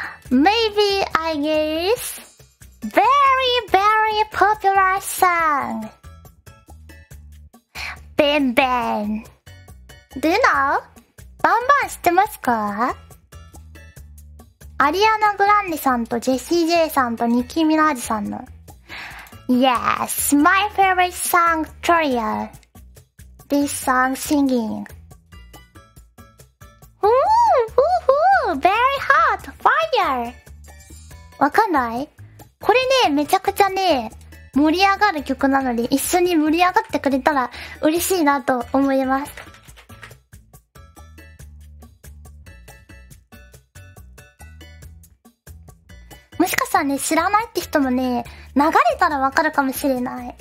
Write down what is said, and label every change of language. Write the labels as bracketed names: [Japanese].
[English] Maybe I guess very, very popular song. ベンベン。Do you know? [Japanese] バンバン知ってますか?アリアナ・グランデさんとジェシー・ジェイさんとニッキー・ミナージさんの。 [English] Yes, my favorite song trio. This song singing. Ooh, ooh, ooh, very hot, fire! [Japanese] わかんない? これね、めちゃくちゃね、盛り上がる曲なので、一緒に盛り上がってくれたら嬉しいなと思います。もしかしたらね、知らないって人もね、流れたらわかるかもしれない。